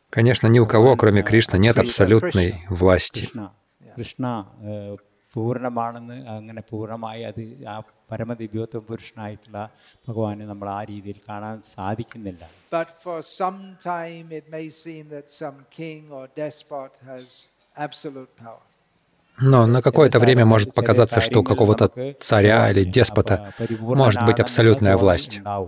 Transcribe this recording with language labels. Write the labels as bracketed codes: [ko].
[ru] Конечно, ни у кого, кроме Кришны, нет абсолютной власти. [ml] Krishna പൂർണമാണെന്ന് അങ്ങനെ പൂർണമായി അത് ആ പരമദിവ്യോത്വ പുരുഷനായിട്ടുള്ള ഭഗവാനെ നമ്മൾ ആ രീതിയിൽ കാണാൻ സാധിക്കുന്നില്ല. [en] But for some time it may seem that some king or despot has absolute power. [ru] Но на какое-то время может показаться, что у какого-то царя или деспота может быть абсолютная власть.